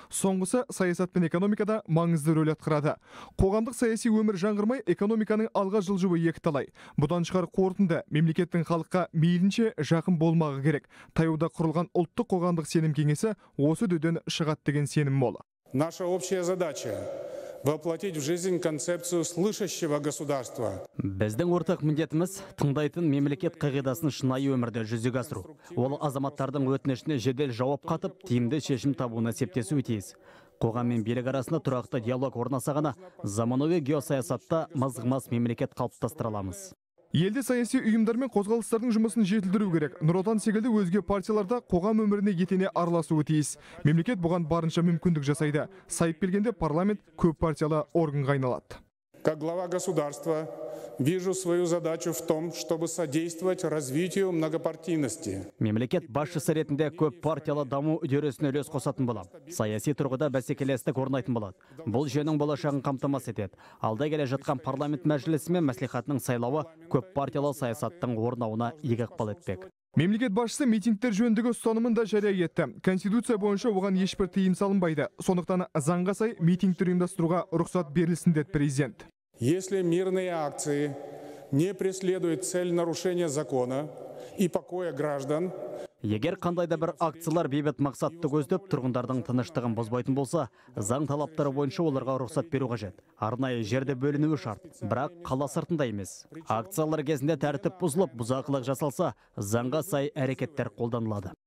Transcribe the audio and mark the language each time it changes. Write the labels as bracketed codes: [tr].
[kk] Соңғысы саясат пен экономикада маңызды рөл атқарады. Қоғамдық саяси өмір жаңғырмай, экономиканың алға жылжуы екіталай. Бұдан шығар қорытынды мемлекеттің халыққа мейлінше жақын болмағы керек. Таяуда құрылған ұлттық қоғамдық сенім кеңесі осы дөден шығады деген сенім мол. [ru] Наша общая задача воплотить в жизнь концепцию слышащего государства. [kk] Біздің ортақ міндетіміз тыңдайтын мемлекет қағидасын шынайы өмірде жүзеге асыру. Ол азаматтардың өтінішіне жедел жауап қатып, тиімді шешім табуына септесуі тиіс. Қоғам мен билік арасында тұрақты диалог орнаса ғана заманауи геосаясатта мызғымас мемлекет қалыптастыра аламыз. Елде саяси ұйымдар мен қозғалыстардың жұмысын жетілдіру керек. Нұр Отан секілді өзге партияларда қоғам өміріне етене араласуы тиіс. Мемлекет бұған барынша мүмкіндік жасайды. Сайып келгенде парламент көп партиялы органға айналады. [ru] Как глава государства, вижу свою задачу в том, чтобы содействовать развитию многопартийности. [kk] Мемлекет басшысы ретінде көп партиялы даму үдерісіне үлес қосатын болады. Саяси тұрғыда бәсекелестік орнайтын болады. Бұл жүйенің болашағын қамтамасыз етеді. Алда келе жатқан парламент мәжілісі мен мәслихатының сайлауы көп партиялы саясаттың орнауына игі ықпал етпек. Мемлекет басшысы митингтер жөндігі ұстанымын да жария етті. Конституция бойынша оған ешбір тыйым салынбайды. Сондықтан заңға сай митингтер ұйымдастыруға рұқсат берілсін деді президент. [ru] Если мирные акции не преследуют цель нарушения закона и покоя граждан, [kk] егер қандай да бір акциялар бейбіт мақсатты көздеп тұрғындардың тыныштығын бұзбайтын болса, заң талаптары бойынша оларға рұқсат беру қажет. Арнайы жерде бөлінуі шарт, бірақ қала сыртында емес. Акциялар кезінде тәртіп бұзылып, бұзақылық жасалса, заңға сай әрекеттер қолданылады.